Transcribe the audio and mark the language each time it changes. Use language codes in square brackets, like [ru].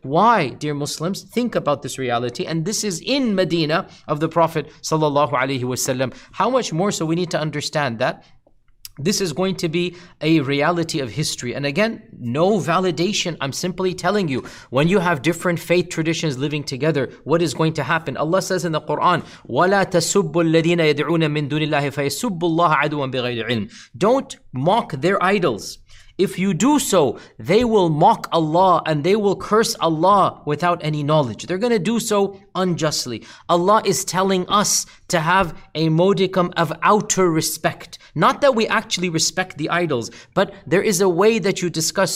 [en] Why, dear Muslims, think about this reality. And this is in Medina of the Prophet sallallahu alaihi wasallam. How much more so we need to understand that this is going to be a reality of history. And again, no validation. I'm simply telling you, when you have different faith traditions living together, what is going to happen? [ar] Allah says in the Quran, وَلَا تَسُبُّ الَّذِينَ يَدْعُونَ مِن دُونِ اللَّهِ فَيَسُبُّ اللَّهَ عَدُوًا بِغَيْرِ عِلْمٍ. [en] Don't mock their idols. If you do so, they will mock Allah and they will curse Allah without any knowledge. They're going to do so unjustly. Allah is telling us to have a modicum of outer respect. Not that we actually respect the idols, but there is a way that you discuss.